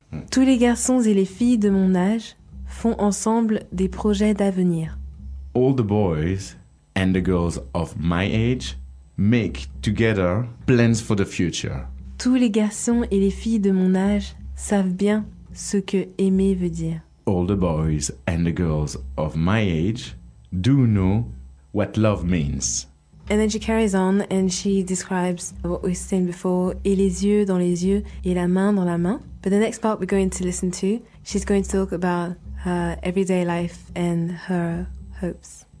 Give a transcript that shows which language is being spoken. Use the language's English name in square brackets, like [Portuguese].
[French] Tous les garçons et les filles de mon âge font ensemble des projets d'avenir. [English] All the boys and the girls of my age make together plans for the future. [French] Tous les garçons et les filles de mon âge savent bien ce que aimer veut dire. [English] All the boys and the girls of my age do know what love means. And then she carries on and she describes what we've seen before, et les yeux dans les yeux, et la main dans la main. But the next part we're going to listen to, she's going to talk about her everyday life and her hopes.